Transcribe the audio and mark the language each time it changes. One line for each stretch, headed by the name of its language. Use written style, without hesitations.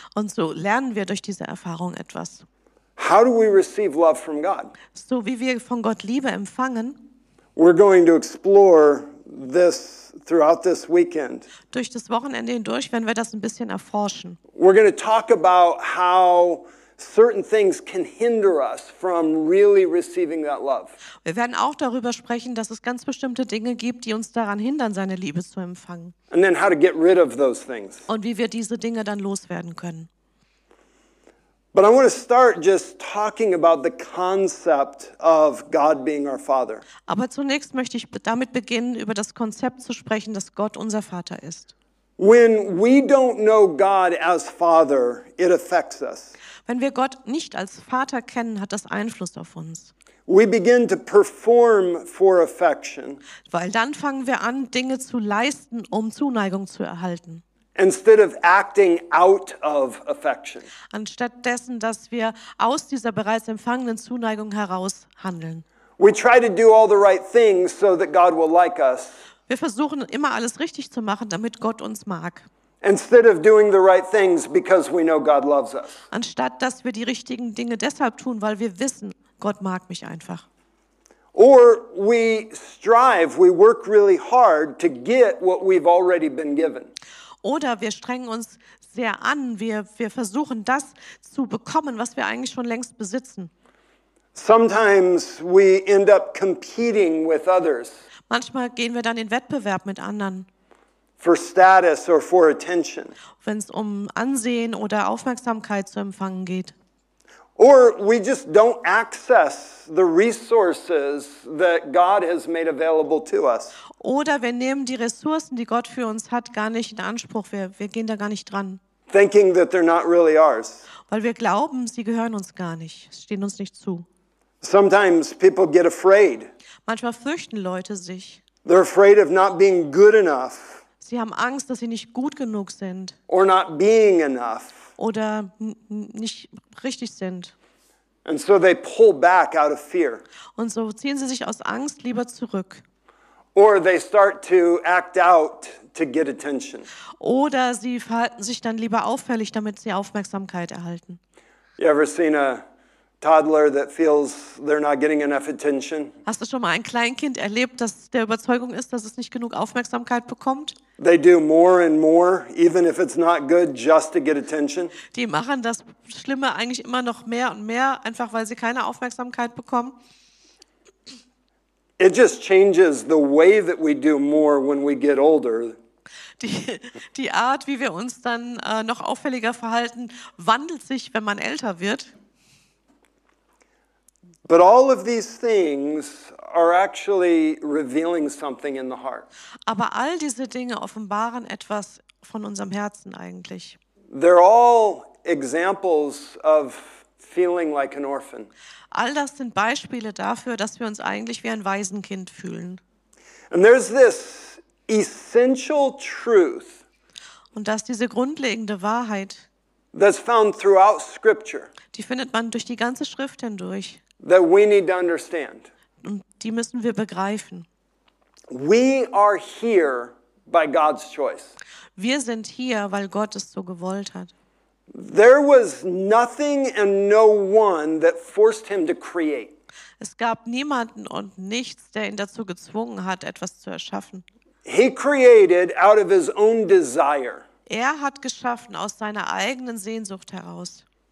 German: Und so lernen wir durch diese Erfahrung etwas.
English: How do we receive love from God?
German: So wie wir von Gott Liebe empfangen,
English: we're going to explore this throughout this weekend.
German: Durch das Wochenende hindurch werden wir das ein bisschen erforschen.
English: We're going to talk about how certain things can hinder us from really receiving that love.
German: Wir werden auch darüber sprechen, dass es ganz bestimmte Dinge gibt, die uns daran hindern, seine Liebe zu empfangen.
English: And then how to get rid of those things.
German: Und wie wir diese Dinge dann loswerden können.
English: But I want to start just talking about the concept of God being our Father.
German: Aber zunächst möchte ich damit beginnen, über das Konzept zu sprechen, dass Gott unser Vater ist.
English: When we don't know God as Father, it affects us.
German: Wenn wir Gott nicht als Vater kennen, hat das Einfluss auf uns.
English: We begin to perform for affection.
German: Weil dann fangen wir an, Dinge zu leisten, um Zuneigung zu erhalten.
English: Instead of acting out of affection.
German: Anstatt dessen, dass wir aus dieser bereits empfangenen Zuneigung heraus handeln.
English: We try to do all the right things so that God will like us.
German: Wir versuchen immer alles richtig zu machen, damit Gott uns mag.
English: Instead of doing the right things because we know God loves us.
German: Anstatt dass wir die richtigen Dinge deshalb tun, weil wir wissen, Gott mag mich einfach.
English: Or we strive, we work really hard to get what we've already been given.
German: Oder wir strengen uns sehr an, wir versuchen das zu bekommen, was wir eigentlich schon längst besitzen.
English: Sometimes we end up competing with others.
German: Manchmal gehen wir dann in Wettbewerb mit anderen.
English: For status or for attention.
German: Wenn es um Ansehen oder Aufmerksamkeit zu empfangen geht.
English: Or we just don't access the resources that God has made available to us.
German: Oder wir nehmen die Ressourcen, die Gott für uns hat, gar nicht in Anspruch. Wir gehen da gar nicht dran.
English: Thinking that they're not really ours.
German: Weil wir glauben, sie gehören uns gar nicht. Sie stehen uns nicht zu.
English: Sometimes people get afraid.
German: Manchmal fürchten Leute sich.
English: They're afraid of not being good enough.
German: Sie haben Angst, dass sie nicht gut genug sind.
English: Or not being enough.
German: Oder nicht richtig sind.
English: And so they pull back out of fear.
German: Und so ziehen sie sich aus Angst lieber zurück.
English: Or they start to act out to get attention.
German: Oder sie verhalten sich dann lieber auffällig, damit sie Aufmerksamkeit erhalten.
English: You ever seen a toddler that feels they're not getting enough attention?
German: Hast du schon mal ein Kleinkind erlebt, das der Überzeugung ist, dass es nicht genug Aufmerksamkeit bekommt?
English: They do more and more, even if it's not good, just to get attention.
German: Die machen das Schlimme eigentlich immer noch mehr und mehr, einfach weil sie keine Aufmerksamkeit bekommen.
English: It just changes the way that we do more when we get older.
German: Die Art, wie wir uns dann noch auffälliger verhalten, wandelt sich, wenn man älter wird.
English: But all of these things are actually revealing something in the heart.
German: Aber all diese Dinge offenbaren etwas von unserem Herzen eigentlich.
English: They're all examples of feeling like an orphan.
German: All das sind Beispiele dafür, dass wir uns eigentlich wie ein Waisenkind fühlen.
English: And there's this essential truth.
German: Und das ist diese grundlegende Wahrheit.
English: That's found throughout scripture.
German: Die findet man durch die ganze Schrift hindurch.
English: That we need to understand.
German: Und die müssen wir begreifen.
English: We are here by God's choice.
German: Wir sind hier, weil Gott es so gewollt hat.
English: There was nothing and no one that forced him to create.
German: Es gab niemanden und nichts, der ihn dazu gezwungen hat, etwas zu erschaffen.
English: He created out of his own desire.
German: Er hat geschaffen aus seiner eigenen Sehnsucht heraus.